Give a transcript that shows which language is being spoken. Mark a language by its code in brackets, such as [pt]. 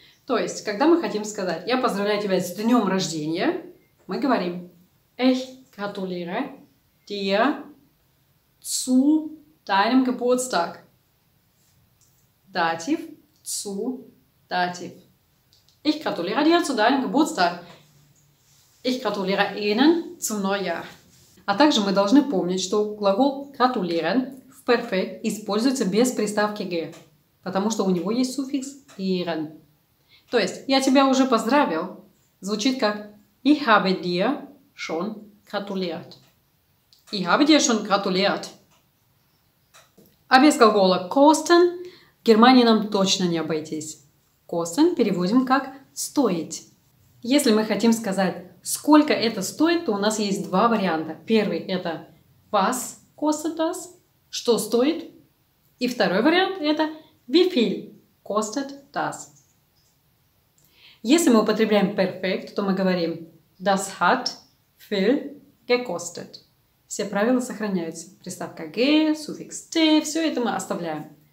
[ru] То есть, когда мы хотим сказать «я поздравляю тебя с днем рождения», мы говорим [de] «ich gratuliere dir zu deinem Geburtstag». [ru] Датив, zu, датив. [de] Ich gratuliere dir zu deinem Geburtstag. Ich gratuliere Ihnen zum Neujahr. [ru] А также мы должны помнить, что глагол gratulieren в perfekt используется без приставки ge, потому что у него есть суффикс ihren. То есть, я тебя уже поздравил, звучит как [de] Ich habe dir schon gratuliert. Ich habe dir schon gratuliert. [ru] А без глагола kosten в Германии нам точно не обойтись. Kosten переводим как «стоить». Если мы хотим сказать, сколько это стоит, то у нас есть два варианта. Первый – это [de] «was kostet das?» [ru] – «что стоит?» И второй вариант – это [de] «wie viel kostet das?» [ru] Если мы употребляем «perfekt», то мы говорим [de] «das hat viel gekostet». [ru] Все правила сохраняются. Приставка «g», суффикс «t» – все это мы оставляем.